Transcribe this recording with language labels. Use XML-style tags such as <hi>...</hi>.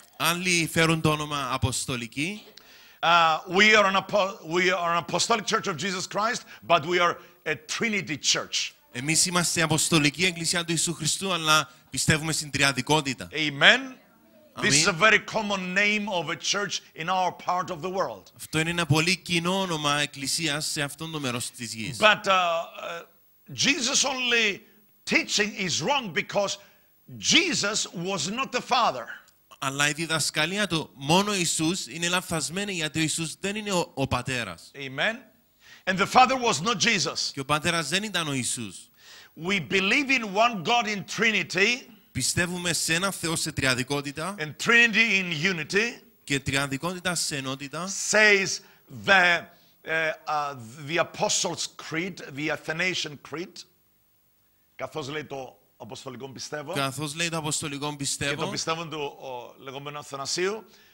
<el>Άλλοι φέρουν το όνομα Αποστολική.</el> <en>We are an apostolic church of Jesus Christ, but we are a Trinity church.</en> <el>Εμείς είμαστε Αποστολική Εκκλησία του Ιησού Χριστού, αλλά πιστεύουμε στην Τριαδικότητα.</el> <en>Amen. This is a very common name of a church in our part of the world.</en> <el>Αυτό είναι ένα πολύ κοινό όνομα εκκλησίας σε αυτόν τον μέρος της γης.</el> <en>But Jesus only teaching is wrong because Jesus was not the Father.</en> <el>Αλλά η διδασκαλία του μόνο Ιησούς είναι λαθασμένη, γιατί ο Ιησούς δεν είναι ο Πατέρας.</el> <en>Amen. And the Father was not Jesus.</en> <el>Και ο Πατέρας δεν ήταν ο Ιησούς.</el> <en>We believe in one God in Trinity.</en> <el>Πιστεύουμε σε ένα Θεό σε τριαδικότητα.</el> <en>And Trinity in unity.</en> <el>Και τριαδικότητα σε ενότητα.</el> <en>Says the Apostles' Creed, the Athanasian Creed.</en> <el>Καθώς λέει το Αποστολικό πιστεύω. Καθώς λέει το Αποστολικό πιστεύω. Και το πιστεύω του λεγόμενου Αθανασίου.</el>